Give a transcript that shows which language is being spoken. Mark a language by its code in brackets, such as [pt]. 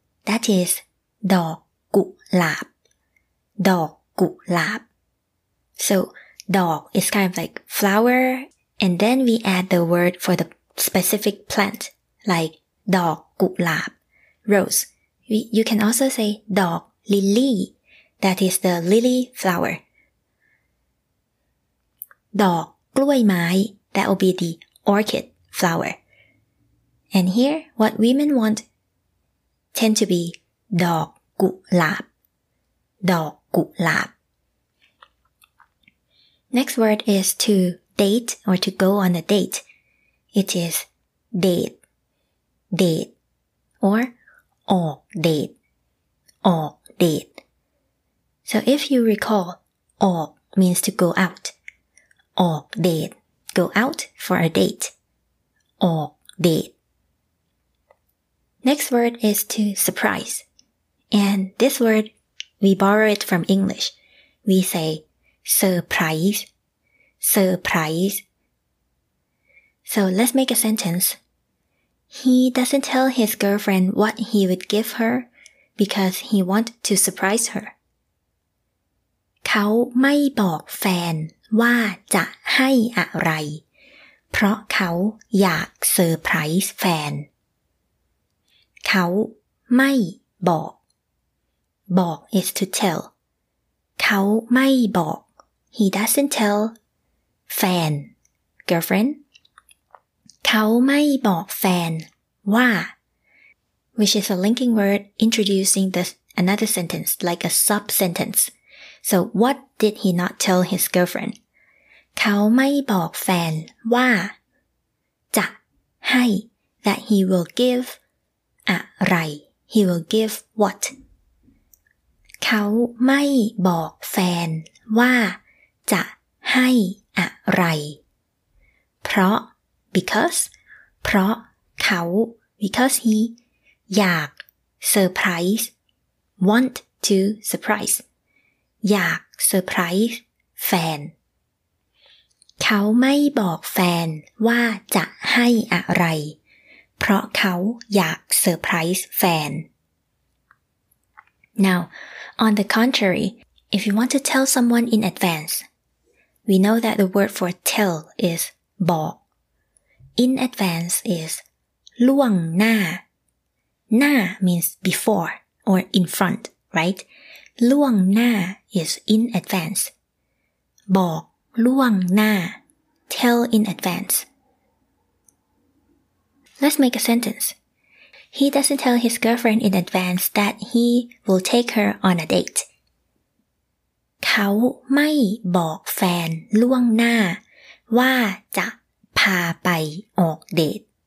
[en] That is ดอกกุหลาบ ดอกกุหลาบ So, ดอก is kind of like flower, and then we add the word for thespecific plant, like ดอกกุหลาบ rose. You can also say ดอกลิลลี่ That is the lily flower. ดอกกล้วยไม้ That will be the orchid flower. And here, what women want tend to be ดอกกุหลาบ ดอกกุหลาบ Next word is to date or to go on a date. It is date, date, or ออก date, ออก date. So if you recall, ออก means to go out. ออก date, go out for a date. ออก date. Next word is to surprise. And this word, we borrow it from English. We say surprise, surprise. So let's make a sentence. He doesn't tell his girlfriend what he would give her because he wants to surprise her. [th] เขาไม่บอกแฟนว่าจะให้อะไรเพราะเขาอยากเซอร์ไพรส์แฟนเขาไม่บอกบอก [en] is to tell [th] เขาไม่บอก [en] he doesn't tell [th] แฟน girlfriend เขาไม่บอกแฟนว่า [en] which is a linking word introducing the another sentence like a sub sentence so what did he not tell his girlfriend [th] เขาไม่บอกแฟนว่าจะให้ [en] that he will give [th] อะไร [en] he will give what [th] เขาไม่บอกแฟนว่าจะให้อะไรเพราะ [en] because [th] เพราะเขา [en] because he อยาก surprise want to surprise [th] อยาก surprise แฟนเขาไม่บอกแฟนว่าจะให้อะไรเพราะเขาอยาก surprise แฟน [en] Now,On the contrary, if you want to tell someone in advance, we know that the word for tell is บอก In advance is ล่วงหน้า หน้า means before or in front, right? ล่วงหน้า is in advance. [th] บอกล่วงหน้า [en] Tell in advance. Let's make a sentence. He doesn't tell his girlfriend in advance that he will take her on a date. [th] เขาไม่บอกแฟนล่วงหน้าว่าจะพาไปออกเดท.